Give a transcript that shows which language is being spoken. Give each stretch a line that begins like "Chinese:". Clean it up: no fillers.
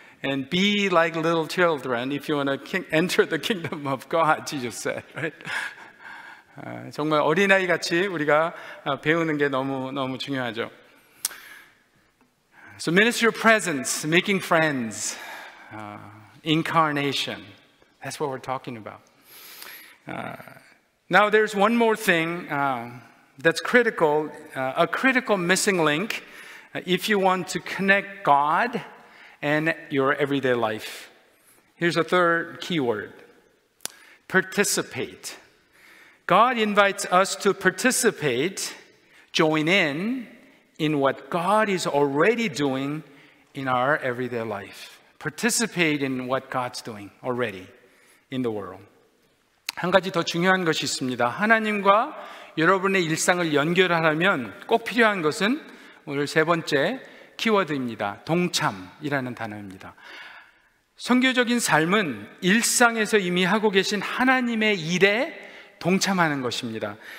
English: And be like little children if you want to enter the kingdom of God, Jesus said, right?
Korean: 정말 어린아이 같이 우리가 배우는 게 너무 너무 중요하죠.
English: So ministry of presence, making friends, incarnation. That's what we're talking about. Now there's one more thing that's critical, a critical missing link if you want to connect God and your everyday life. Here's a third keyword, participate. God invites us to participate, join in what God is already doing in our everyday life. Participate in what God's doing already in the world.
Korean: 한 가지 더 중요한 것이 있습니다. 하나님과 여러분의 일상을 연결하려면 꼭 필요한 것은 오늘 세 번째 키워드입니다. 동참이라는 단어입니다. 선교적인 삶은 일상에서 이미 하고 계신 하나님의 일에 동참하는 것입니다.